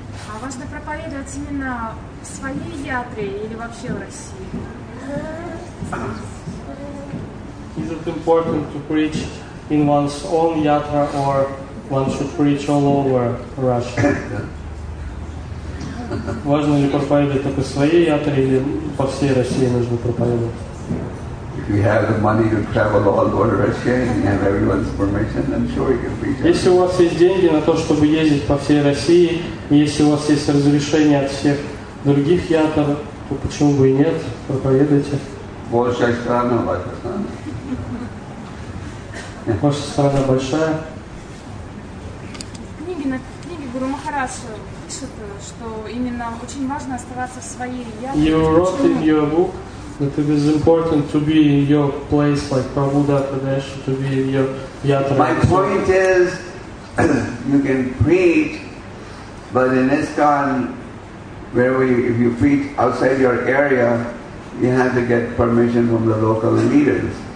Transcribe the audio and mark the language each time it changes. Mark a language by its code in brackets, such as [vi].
[ru] А важно проповедовать именно в своей ядре или вообще в России? [en] Is it important to preach in one's own yatra or one should preach all over Russia? [ru] Важно ли проповедовать только в своей ядре или по всей России нужно проповедовать? [en] If you have the money to travel all over Russia and you have everyone's permission, I'm sure you can preach. [ru] Если у вас есть деньги на то, чтобы ездить по всей России, если у вас есть разрешение от всех других ятр, то почему бы и нет? Проповедуйте. Большая страна, ваша страна. Ваша страна большая. Книги Гуру Махараджа пишут, что именно очень важно оставаться в своей ятре. [en] You wrote in your book that it is important to be in your place, like Prabhupada Pradesh, to be in your yatra. My point is, you can preach, but in ISKCON, if you preach outside your area, you have to get permission from the local leaders.